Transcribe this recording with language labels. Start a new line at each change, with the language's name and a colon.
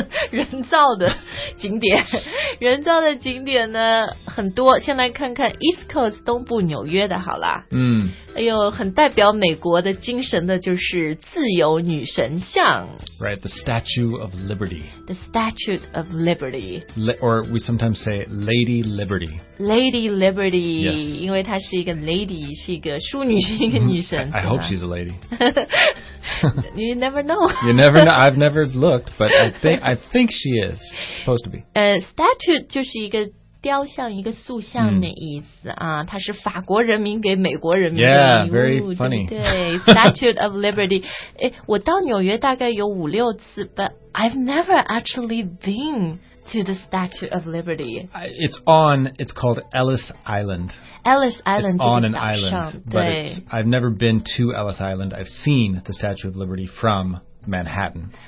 Chinese: 人造的景点人造的景点呢很多先来看看 East Coast 东部纽约的好啦哎呦很代表美国的精神的就是自由女神像
English: Right, the Statue of Liberty The Statue of Liberty Or we sometimes say Lady Liberty Lady Liberty、 yes.
Chinese: 因为她是一个 lady 是一个淑女是一个女神
English: I hope she's a lady You never know You never know I've never looked But I think she is supposed to be.
Chinese: Statue 就是一个雕像，一个塑像的意思啊。它是法国人民给美国人民的礼物。
English: Yeah, very funny.
Chinese: 对
English: ，Statue of Liberty.
Chinese: 我到纽约大概有五六次
English: ，but I've never actually been to the Statue of Liberty. It's called Ellis Island. Ellis Island. It's on an island, but I've never been to Ellis Island. I've seen the Statue of Liberty from. Manhattan.